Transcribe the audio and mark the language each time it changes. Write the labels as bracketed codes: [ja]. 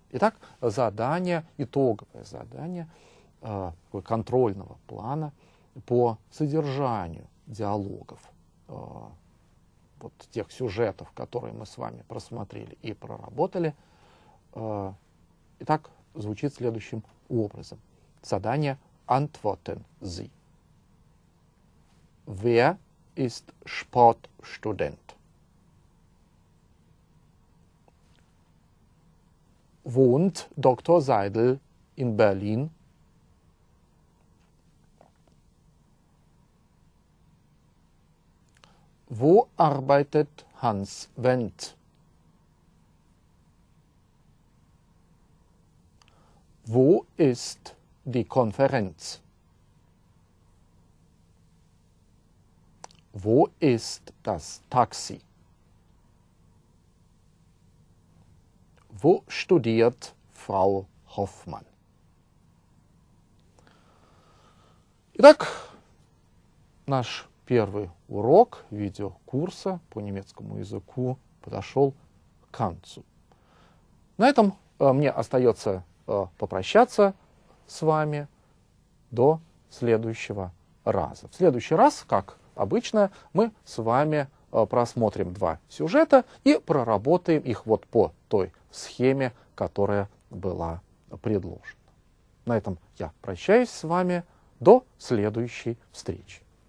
[ru] Итак, задание, итоговое задание контрольного плана по содержанию диалогов, вот тех сюжетов, которые мы с вами просмотрели и проработали. Итак, звучит следующим образом. Задание [de] «Antworten Sie». Wer ist Sportstudent? Wohnt Dr. Seidel in Berlin? Wo arbeitet Hans Wendt? Wo ist die Konferenz? Wo ist das Taxi? Wo studiert Frau Hoffmann? [ru] Итак, наш первый урок видеокурса по немецкому языку подошел к концу. На этом мне остается попрощаться с вами до следующего раза. В следующий раз, как обычно, мы с вами просмотрим два сюжета и проработаем их вот по той схеме, которая была предложена. На этом я прощаюсь с вами до следующей встречи.